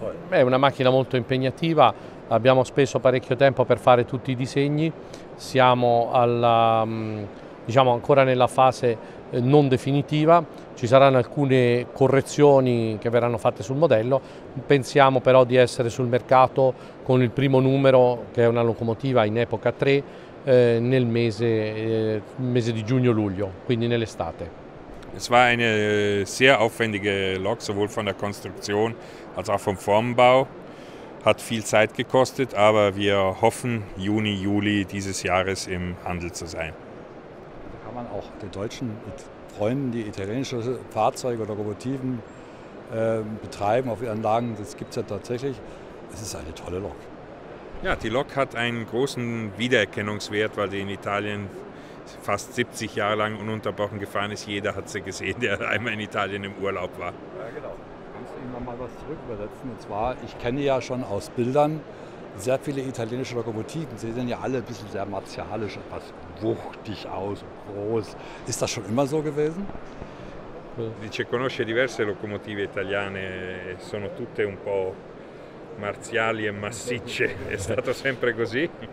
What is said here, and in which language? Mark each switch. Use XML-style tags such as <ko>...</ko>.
<it>È una macchina molto impegnativa, abbiamo speso parecchio tempo per fare tutti i disegni, siamo ancora nella fase non definitiva, ci saranno alcune correzioni che verranno fatte sul modello, pensiamo però di essere sul mercato con il primo numero, che è una locomotiva in epoca 3, nel mese di giugno-luglio, quindi nell'estate.</it> <de>Es war eine sehr aufwendige Lok, sowohl von der Konstruktion als auch vom Formbau. Hat viel Zeit gekostet, aber wir hoffen, Juni, Juli dieses Jahres im Handel zu sein. Da kann man auch den deutschen Freunden, die italienische Fahrzeuge oder Lokomotiven betreiben auf ihren Lagen, das gibt es ja tatsächlich. Es ist eine tolle Lok. Ja, die Lok hat einen großen Wiedererkennungswert, weil die in Italien fast 70 Jahre lang ununterbrochen gefahren ist. Jeder hat sie gesehen, der einmal in Italien im Urlaub war. Ja, genau. Kannst du Ihnen nochmal was zurückübersetzen? Und zwar, ich kenne ja schon aus Bildern sehr viele italienische Lokomotiven. Sie sehen ja alle ein bisschen sehr martialisch, etwas wuchtig aus, groß. Ist das schon immer so gewesen?</de> <it>Dice, conosce diverse locomotive italiane, sono tutte un po' marziali e massicce, è stato sempre così?</it>